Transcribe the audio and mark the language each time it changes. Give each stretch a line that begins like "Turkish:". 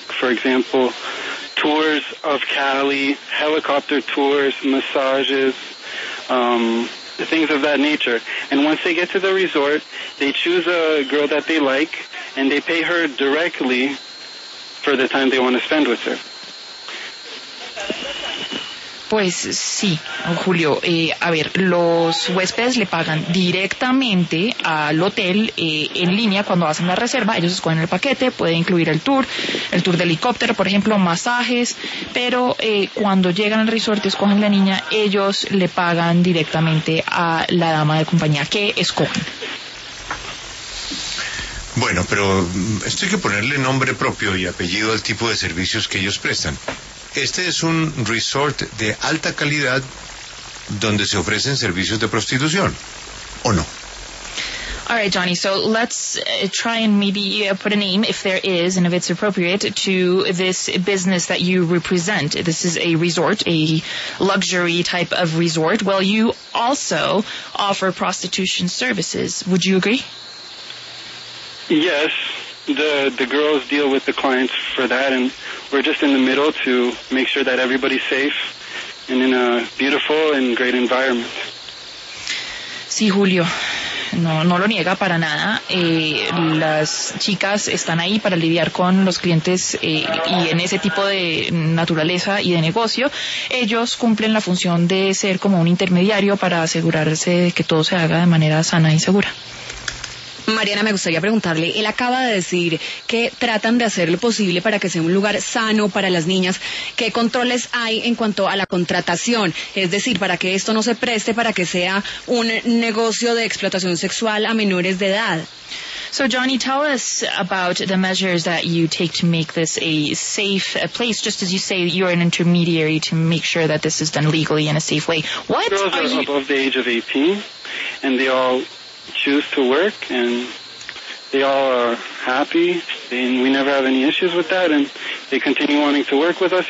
English: For example, tours of Cali, helicopter tours, massages, things of that nature. And once they get to the resort, they choose a girl that they like and they pay her directly for the time they want to spend with her.
Spanish: Pues sí, Julio. A ver, los huéspedes le pagan directamente al hotel en línea cuando hacen la reserva. Ellos escogen el paquete, puede incluir el tour de helicóptero, por ejemplo, masajes. Pero cuando llegan al resort y escogen la niña, ellos le pagan directamente a la dama de compañía que escogen. Bueno, pero esto hay que ponerle nombre propio y apellido al tipo de servicios que ellos prestan. Este es un resort de alta calidad donde se ofrecen servicios de prostitución, ¿o no?
English: All right, Johnny, so let's try and maybe put a name, if there is and if it's appropriate, to this business that you represent. This is a resort, a luxury type of resort. Well, you also offer prostitution services. Would you agree? Yes, the girls deal with the clients for that, and we're just in the middle to make sure that everybody's safe and in a beautiful and great environment.
Spanish: Sí, Julio. No lo niega para nada. Las chicas están ahí para lidiar con los clientes y en ese tipo de naturaleza y de negocio, ellos cumplen la función de ser como un intermediario para asegurarse de que todo se haga de manera sana y segura. Mariana, me gustaría preguntarle, él acaba de decir que tratan de hacer lo posible para que sea un lugar sano para las niñas. ¿Qué controles hay en cuanto a la contratación? Es decir, para que esto no se preste, para que sea un negocio de explotación sexual a menores de edad.
English: So, Johnny, tell us about the measures that you take to make this a safe place. Just as you say, you're an intermediary to make sure that this is done legally in a safe way. What girls are you... above the age of 18, and they all... choose to work, and they all are happy, and we never have any issues with that, and they continue wanting to work with us.